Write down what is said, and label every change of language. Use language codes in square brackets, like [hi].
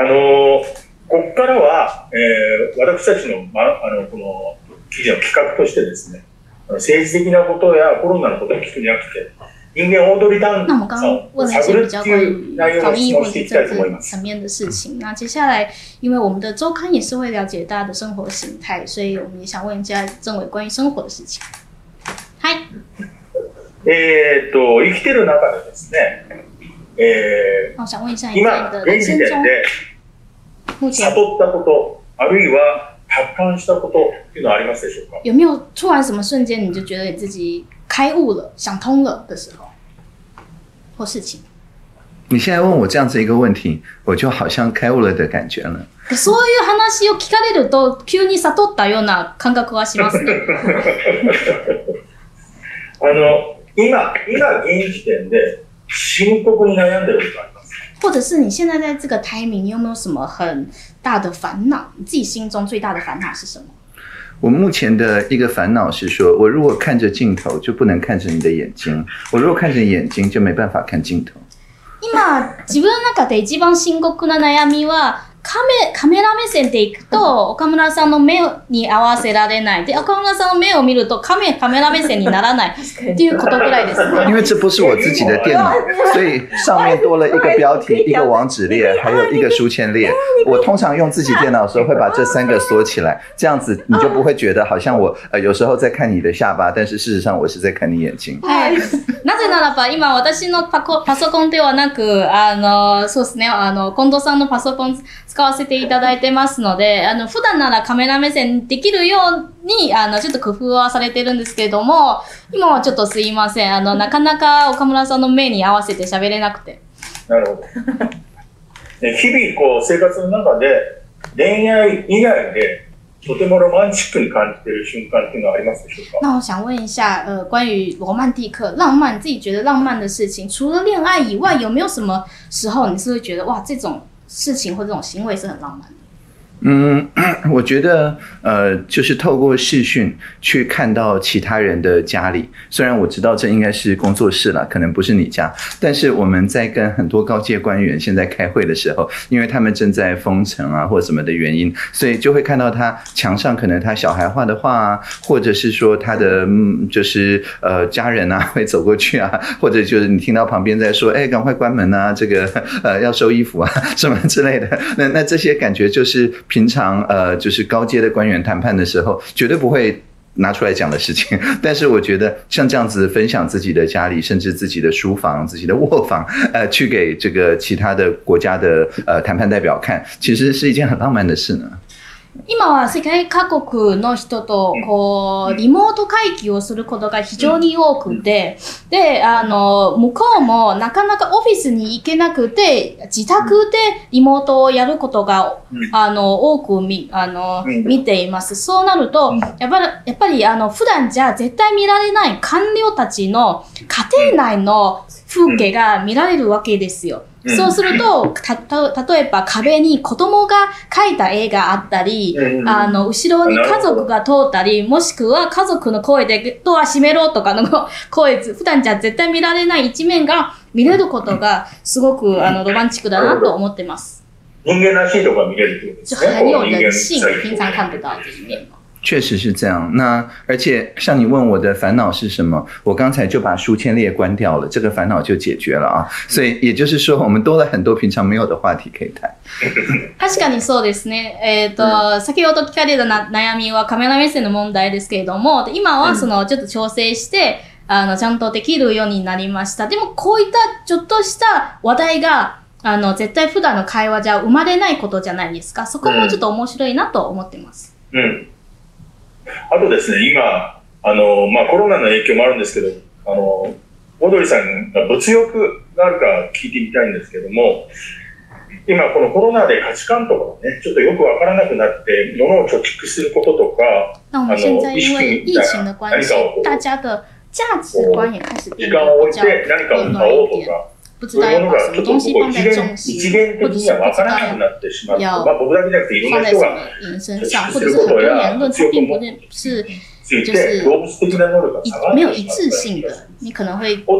[ja] ここからは、私たち の、ま、この記事の企画としてですね、政治的なことやコロナのことを聞くんじゃなくて、人间欧多利丹， [zh] 那我们刚刚问了一些比较关于防疫或者政治层面的事情。那接下来，因为我们的周刊也是会了解大家的生活形态，所以我们也想问一下政委关于生活的事情。嗨， [ja] 生きてる中でですね、 [zh] 我想问一下你在你的人生中，目前 [ja] 悟ったこと、あるいは達観したことっていうのはありますでしょうか？ [zh] 有没有突然什么瞬间，你就觉得你自己开悟了、想通了的时候或事情？你现在问我这样子一个问题，我就好像开悟了的感觉了。 [ja] そういう話を聞かれると急に悟ったような感覚はしますね。今現時点で深刻に悩んでることありますか？ [zh] 或者是你现在在这个timing，你有没有什么很大的烦恼？你自己心中最大的烦恼是什么？我目前的一个烦恼是说，我如果看着镜头就不能看着你的眼睛，我如果看着眼睛就没办法看镜头。 [ja] 今自分の中で一番深刻な悩みは、カメラ目線で行くと、岡村さんの目に合わせられない。で、岡村さんの目を見ると、カメラ目線にならない。っていうことぐらいです。 [zh] 因为这不是我自己的电脑，所以上面多了一个标题、一个网址列、还有一个书签列。我通常用自己电脑的时候会把这三个锁起来，这样子你就不会觉得好像我有时候在看你的下巴，但是事实上我是在看你眼睛。 [ja] なぜならば、今私のパソコンではなく、そうですね、近藤さんのパソコン使わせていただいてますので、普段ならカメラ目線できるようにちょっと工夫はされてるんですけれども、今はちょっとすいません、なかなか岡村さんの目に合わせて喋れなくて。なるほど。日々こう生活の中で恋愛以外でとてもロマンチックに感じている瞬間っていうのはありますでしょうか？ [zh] 那我想问一下，关于罗曼蒂克浪漫，自己觉得浪漫的事情，除了恋爱以外，有没有什么时候你是会觉得哇这种事情或这种行为是很浪漫的？我觉得就是透过视讯去看到其他人的家里，虽然我知道这应该是工作室了，可能不是你家，但是我们在跟很多高阶官员现在开会的时候，因为他们正在封城啊或什么的原因，所以就会看到他墙上可能他小孩画的画啊，或者是说他的就是家人啊会走过去啊，或者就是你听到旁边在说哎赶快关门啊，这个要收衣服啊什么之类的，那这些感觉就是平常就是高阶的官员谈判的时候绝对不会拿出来讲的事情，但是我觉得像这样子分享自己的家里，甚至自己的书房、自己的卧房，去给这个其他的国家的谈判代表看，其实是一件很浪漫的事呢。 [ja] 今は世界各国の人とこうリモート会議をすることが非常に多くて、で、向こうもなかなかオフィスに行けなくて、自宅でリモートをやることが多く見ています。そうなると、やっぱり普段じゃ絶対見られない官僚たちの家庭内の風景が見られるわけですよ。そうすると、例えば壁に子供が描いた絵があったり、後ろに家族が通ったり、もしくは家族の声でドア閉めろとかの声、普段じゃ絶対見られない一面が見れることがすごくロマンチックだなと思ってます。人間らしいとか見れるってことですね。 [zh] 就很有人性，平常看不到的一面。确实是这样。那而且像你问我的烦恼是什么，我刚才就把书签列关掉了，这个烦恼就解决了啊。所以也就是说，我们多了很多平常没有的话题可以谈。 [ja] 確かにそうですね。先ほど聞かれた悩みはカメラ目線の問題ですけれども、今はそのちょっと調整して。ちゃんとできるようになりました。でもこういったちょっとした話題が絶対普段の会話じゃ生まれないことじゃないですか。そこもちょっと面白いなと思ってます。あとですね、今コロナの影響もあるんですけど、オードリーさんが物欲があるか聞いてみたいんですけども、今このコロナで価値観とかね、ちょっとよくわからなくなって、物を貯蓄することとか、意識みたいな何かを。 [zh] 大家的价值观也开始变得比较有暖一点，不知道要把什么东西放在中心，或者是不知道要放在什么人身上，或者是很多言论它并不是就是没有一致性的，你可能会